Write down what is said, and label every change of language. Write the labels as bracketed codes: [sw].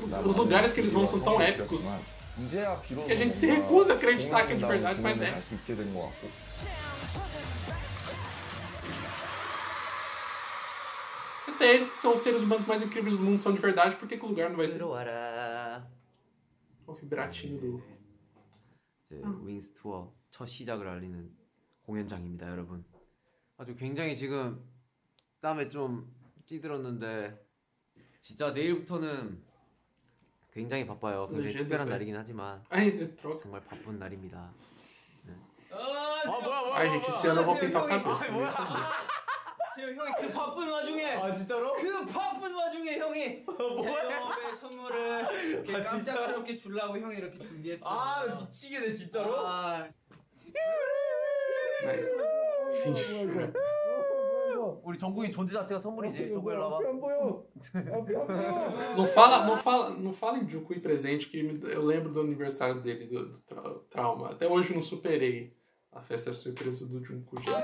[pt] os lugares que eles vão são tão épicos, que a gente se recusa a acreditar que é de verdade, mas é. [ko] 세태 [pt] eles que são os seres humanos mais incríveis do mundo são de verdade, por que que o lugar não vai ser? [ko] 들어와라. 어, 비브라치노 do. 이제 윙스 투어 첫 시작을 알리는 공연장입니다, 여러분. 아주 굉장히 지금 땀에 좀 찌들었는데 진짜 내일부터는 굉장히 바빠요. 근데 특별한 날이긴 하지만 정말 바쁜 날입니다. [pt] 아이 gente, esse ano eu vou pintar o cabelo. [ko] 형이 그 바쁜 와중에 아 진짜로? 그 바쁜 와중에 형이 제조업의 선물을 이렇게 아, 깜짝스럽게 주려고 형이 이렇게 준비했어. 아 미치겠네 진짜로? 아. 나이스. 우리 정국이 존재 자체가 선물이지. 정국이 일로 와봐. 안 보여. 안 보여. [pt] Não fala em Juku presente que eu lembro do aniversário dele do trauma. Até hoje não superei. A festa é surpresa do Junku.